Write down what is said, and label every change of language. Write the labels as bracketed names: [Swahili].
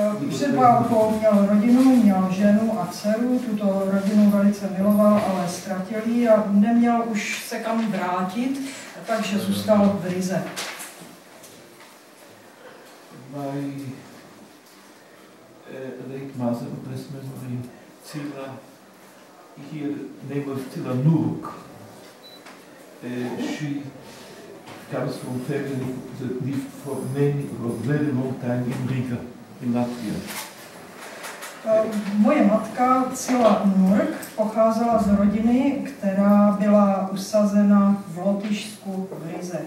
[Czech] Před válkou měl rodinu, měl ženu a dceru, tuto rodinu velice miloval, ale ztratil ji a neměl už se kam vrátit, takže zůstal v Rize. [English] My late mother, bless memory, Cilla, here, name was Cilla Nuruk. She comes from family that lived for many, for very long time in Riga, in Latvia. [Czech] Moje matka Cilla Nurk pocházela z rodiny, která byla usazena v Lotyšsku v Rize.